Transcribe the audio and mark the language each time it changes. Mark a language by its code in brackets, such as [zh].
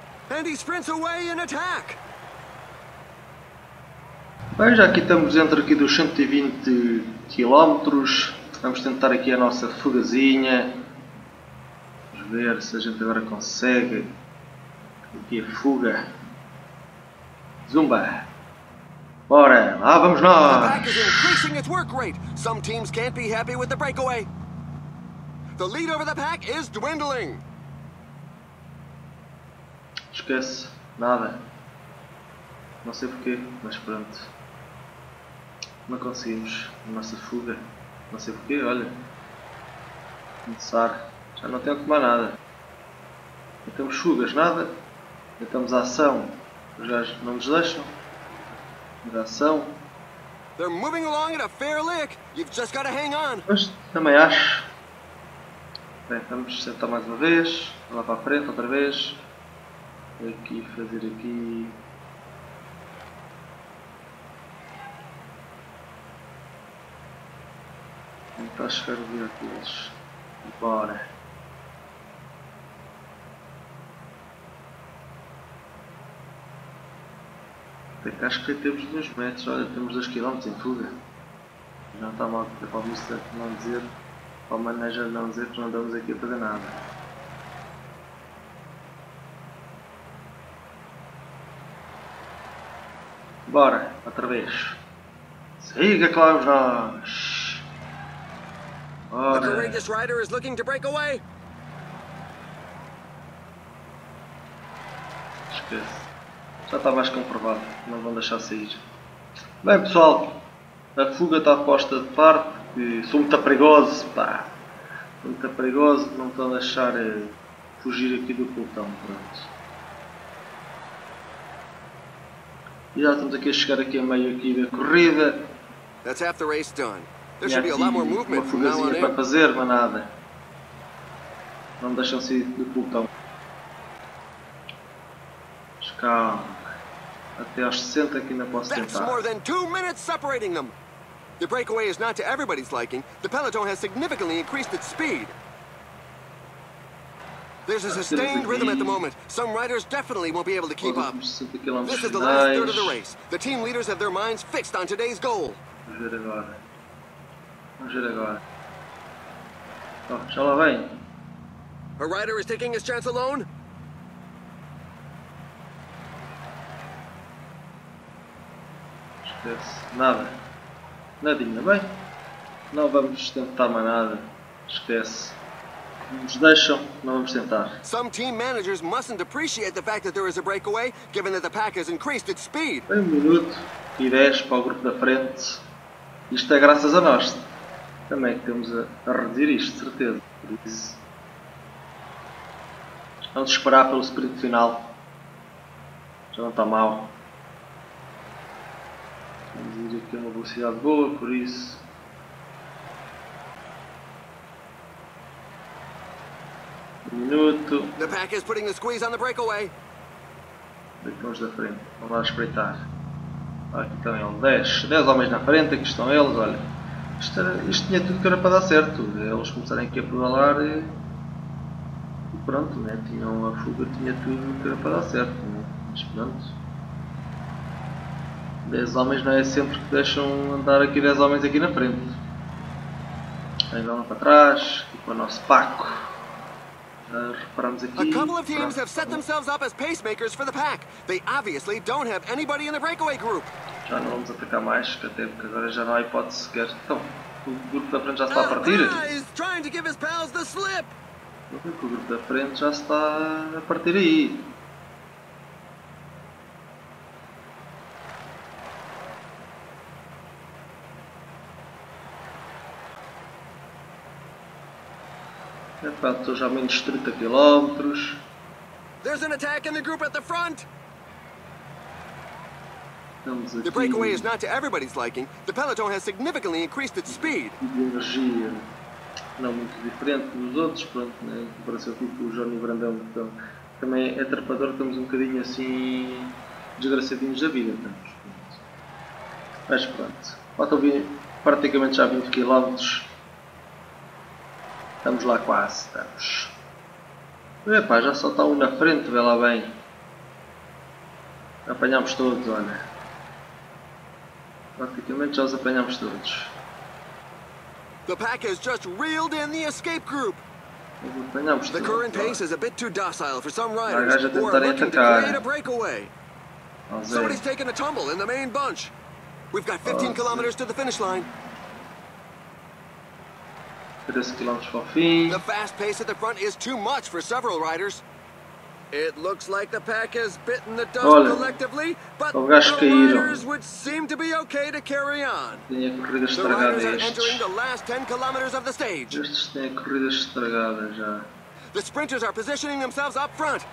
[en] And he sprints away in attack. [pt] Bem, já aqui estamos dentro aqui dos 120 km. Vamos tentar aqui a nossa fugazinha. Vamos ver se a gente agora consegue. Aqui a fuga. Zumba! Bora, lá vamos nós! [en] The pack is increasing its work rate. Some teams can't be happy with the breakaway. The lead over the pack is dwindling. [pt] Esquece, nada. Não sei porquê, mas pronto. Não conseguimos a nossa fuga. Não sei porquê, olha. Começar. Já não tenho que tomar nada. Já temos fugas, nada. Já estamos à ação. Os gajos não nos deixam. Ação. [en] They're moving along at a fair lick. You've just got to hang on. [pt] Mas também acho. Bem, vamos sentar mais uma vez. Lá para a frente outra vez. Aqui fazer aqui. Tentar chegar o dia deles. Bora. Até que acho que temos 2 metros, olha, temos 2 km em fuga. Não está mal para o Mr. não dizer, para o manager não dizer que não andamos aqui a fazer nada. Bora, outra vez. Siga, Cláudio Jorge. [en] A courageous rider is looking to break away. [pt] Esquece. Já está mais comprovado. Não vão deixar sair. Bem, pessoal. A fuga está posta de parte. E sou muito perigoso. Pá. Sou muito perigoso. Não estou a deixar fugir aqui do pelotão. Pronto. E já estamos aqui a chegar aqui a meio aqui da corrida. [en] That's half the race done. [pt] E aqui uma fugazinha para fazer, manada. Não deixam sair do pelotão. Mas calma. Até aos 60 aqui ainda posso tentar. [en] That's more than 2 minutes separating them. The breakaway is not to everybody's liking. The peloton has significantly increased its speed. There's a sustained rhythm at the moment. Some riders definitely won't be able to keep up. This is the last third of the race. The team leaders have their minds fixed on today's goal. [pt] Vamos ver agora. Oh, já lá vem. [en] A rider is taking his chance alone. [pt] Esquece. Nada. Nadinha, bem. Não vamos tentar mais nada. Esquece. Nos deixam. Não vamos tentar. [en] Some team managers mustn't appreciate the fact that there is a breakaway, given that the pack has increased its speed. [pt] 1 minuto e 10 para o grupo da frente. Isto é graças a nós. Também que temos a reduzir isto, certeza. Vamos esperar pelo sprint final. Já não está mal. Vamos ir aqui a uma velocidade boa, por isso. Minuto. [en] The pack is putting the squeeze on the breakaway. [pt] Vamos da frente. Vamos lá espreitar. Aqui também é um 10. 10 homens na frente, aqui estão eles, olha. Isto tinha tudo que era para dar certo. Eles começarem aqui a pedalar e pronto, né? Tinham a fuga, tinha tudo que era para dar certo. Né? Mas pronto. 10 homens não é sempre que deixam andar aqui 10 homens aqui na frente. Aí vão lá para trás. E para o nosso Paco. Já reparamos aqui. [en] A couple of teams have set themselves up as pacemakers for the pack. They obviously don't have anybody in the breakaway group. [pt] Já não vamos atacar mais, que até porque agora já não há hipótese sequer. Então, o grupo da frente já está a partir. [en] Trying give his pals the slip. [pt] O grupo da frente já está a partir aí. É pá, estou já a menos 30 km. [en] There's an attack in the group at the front. The breakaway is not to everybody's liking. The peloton has significantly increased its speed. [pt] De energia não muito diferente dos outros, pronto, né? Parece que o Johnny Brandão então, também é trepador, estamos um bocadinho assim desgraçadinhos da vida. Estamos, mas pronto, faltam praticamente já 20 km. Estamos lá quase, estamos. Epá, já só está um na frente, vê lá bem. Apanhámos todos, olha. Praticamente já os apanhamos todos. [en] The pack has just reeled in the escape group. The current pace is a bit too docile for some riders. Who are looking to create a Somebody's taken a tumble in the main bunch. We've got 15 km to the finish line. [pt] 13 km para o fim. [en] The fast pace at the front is too much for several riders. It looks like the pack has bitten the dust. [pt] Olha, [en] collectively, but [pt] o gajo [en] the [pt] caíram. [en] Riders would seem to be okay to carry on. [pt] Tinha corridas estragadas estes. [en] The riders are entering the last 10 kilometers of the stage. [pt] Estes têm corridas estragadas já. [en] The sprinters are positioning themselves up front.